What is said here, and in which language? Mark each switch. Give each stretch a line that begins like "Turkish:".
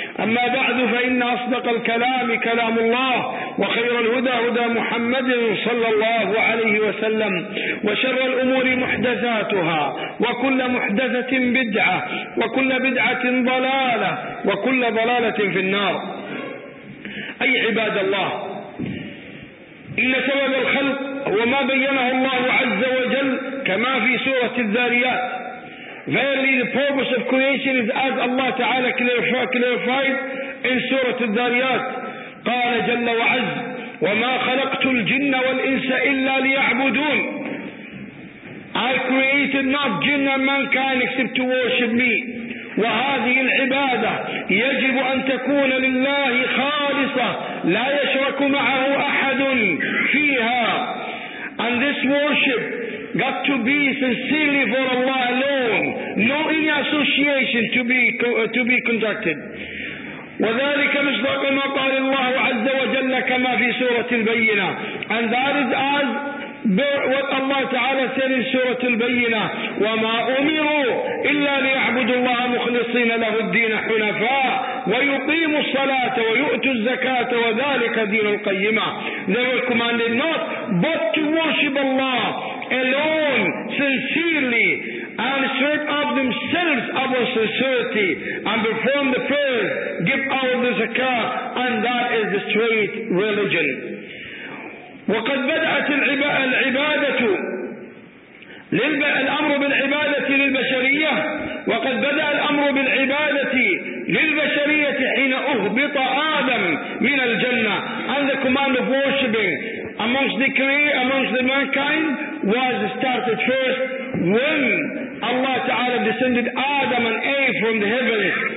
Arabic: أما بعد، فإن أصدق الكلام كلام الله، وخير الهدى هدى محمد صلى الله عليه وسلم، وشر الأمور محدثاتها، وكل محدثة بدعة، وكل بدعة ضلالة، وكل ضلالة في النار. أي عباد الله، إن سبب الخلق هو ما بينه الله عز وجل كما في سورة الذاريات.
English: Verily the purpose of creation is as Allah Ta'ala clarified in سورة الذاريات.
Arabic: قال جل وعز: وما خلقت الجن والإنس إلا ليعبدون.
English: I created not jinn and mankind except to worship me.
Arabic: وهذه العبادة يجب أن تكون لله خالصة لا يشرك معه أحد فيها.
English: And this worship got to be sincerely for Allah alone, no any association to be conducted.
Arabic: وذلك مصداق ما قال الله عز وجل كما في سورة البينة.
English: And that is as what Allah Ta'ala said in
Arabic: سورة البينة: وما أمروا إلا ليعبدوا الله مخلصين له الدين حنفاء ويقيموا الصلاة ويؤتوا الزكاة وذلك دين القيمة.
English: They were commanded not but to worship Allah alone sincerely and assert of themselves our sincerity and perform the prayers, give out the zakah, and that is the straight religion.
Arabic: وقد بدأت العبادة الأمر بالعبادة للبشرية، وقد بدأ الأمر بالعبادة للبشرية حين أهبط آدم من الجنة.
English: And the command of worshiping amongst the mankind was started first when Allah Ta'ala descended Adam and Eve from the heavens.